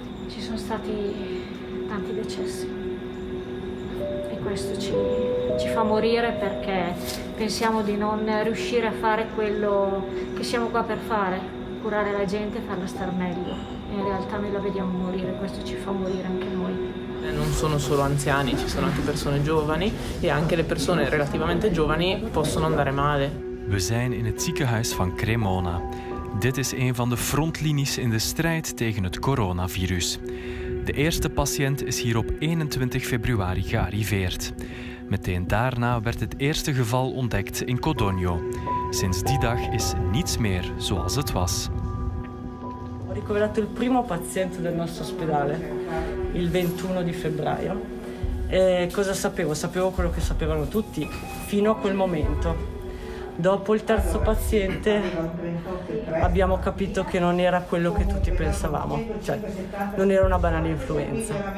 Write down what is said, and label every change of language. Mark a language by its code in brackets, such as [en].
[it] Ci sono stati tanti decessi e questo ci fa morire perché pensiamo di non riuscire a fare quello che siamo qua per fare, curare la gente e farla star meglio. In realtà noi la vediamo morire, questo ci fa morire anche noi. Non sono solo anziani, ci sono anche persone giovani e anche le persone relativamente giovani possono andare male. [nl] We zijn in het ziekenhuis van Cremona. Dit is een van de frontlinies in de strijd tegen het coronavirus. De eerste patiënt is hier op 21 februari gearriveerd. Meteen daarna werd het eerste geval ontdekt in Codogno. Sinds die dag is niets meer zoals het was. [it] Ho ricoverato il primo paziente del nostro ospedale il 21 di febbraio. E cosa sapevo? Sapevo quello che sapevano tutti fino a quel momento. Dopo il terzo paziente abbiamo capito che non era quello che tutti pensavamo, cioè non era una banale influenza.